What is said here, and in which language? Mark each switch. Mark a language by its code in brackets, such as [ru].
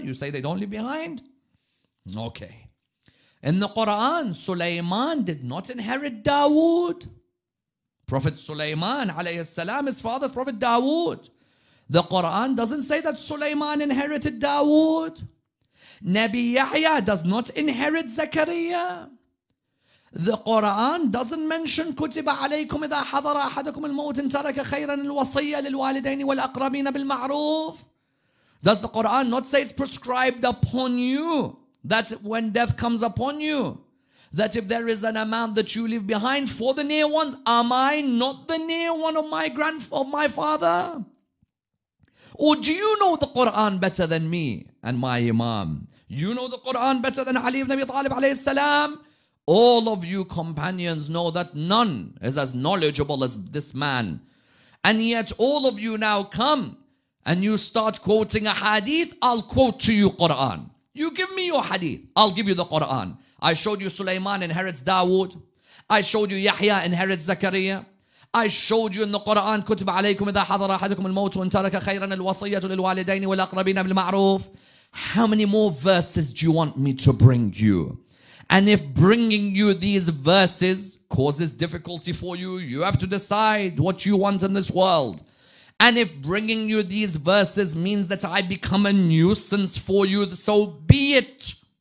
[en] You say they don't leave behind? Okay. In the Quran, Sulaiman did not inherit Dawood. Prophet Sulaiman, alayhi salam, is father's prophet Dawood. The Quran doesn't say that Sulaiman inherited Dawood. Nabi Yahya does not inherit Zakariya. The Quran doesn't mention [ar] كتب عليكم إذا حضر أحدكم الموت ترك خيرا الوصية للوالدين والأقربين بالمعروف. [en] Does the Quran not say it's prescribed upon you that when death comes upon you, that if there is an amount that you leave behind for the near ones, am I not the near one of my grandfather, of my father? Or do you know the Quran better than me and my Imam? You know the Quran better than Ali ibn Abi Talib alayhi salam? All of you companions know that none is as knowledgeable as this man. And yet all of you now come and you start quoting a hadith, I'll quote to you Quran. You give me your hadith, I'll give you the Quran. I showed you Sulaiman inherits Dawood. I showed you Yahya inherits Zakaria. I showed you in the Quran, [ar] كُتِبَ عَلَيْكُمْ إِذَا حَضَرَ أَحَدُكُمُ الْمَوْتُ وَانْتَرَكَ خَيْرًا الْوَصِيَّةُ لِلْوَالِدَيْنِ وَالْأَقْرَبِينَ بِالْمَعْرُوفِ. [en] How many more verses do you want me to bring you? And if bringing you these verses causes difficulty for you, you have to decide what you want in this world. And if bringing you these verses means that I become a nuisance for you, so be it.